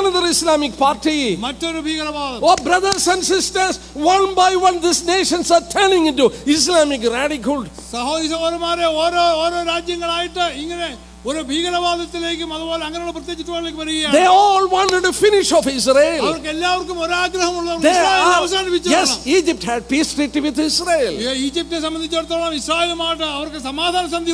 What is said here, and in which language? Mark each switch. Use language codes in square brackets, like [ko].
[en] Brothers and sisters, one by one these nations are turning into Islamic radical. [ml] സഹോദരന്മാരെ ഓരോ രാജ്യങ്ങളായിട്ട് ഇങ്ങനെ ഒരു ഭീകരവാദത്തിലേക്കും അതുപോലെ അങ്ങനെയുള്ള പ്രത്യേകിച്ച് ചുറ്റുപാടിലേക്ക് വരികയാണ്. [en] They all wanted to finish off Israel. [ml] അവർക്ക് എല്ലാവർക്കും ഒരാഗ്രഹമുള്ളവർ അവസാനിപ്പിച്ചു. [en] Yes, Egypt had peace treaty with Israel. [ml] ഈജിപ്തിനെ സംബന്ധിച്ചിടത്തോളം ഇസ്രായേലുമായിട്ട് അവർക്ക് സമാധാന സന്ധി